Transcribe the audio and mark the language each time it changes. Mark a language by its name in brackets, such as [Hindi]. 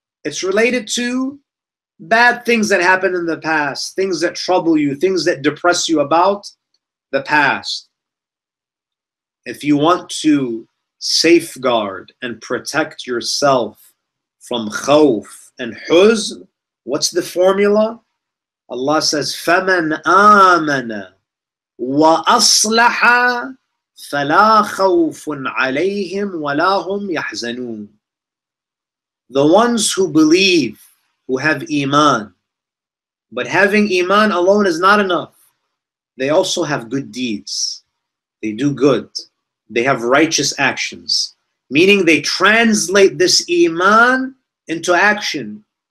[English] It's related to bad things that happened in the past, things that trouble you, things that depress you about the past. If you want to safeguard and protect yourself from khawf and huzn, what's the formula? [Arabic] Allah says, فَمَنْ آمَنَ وَأَصْلَحَ فَلَا خَوْفٌ عَلَيْهِمْ وَلَا هُمْ يَحْزَنُونَ. [English] The ones who believe, who have iman, but having iman alone is not enough. They also have good deeds. They do good. They have righteous actions. Meaning they translate this iman into action.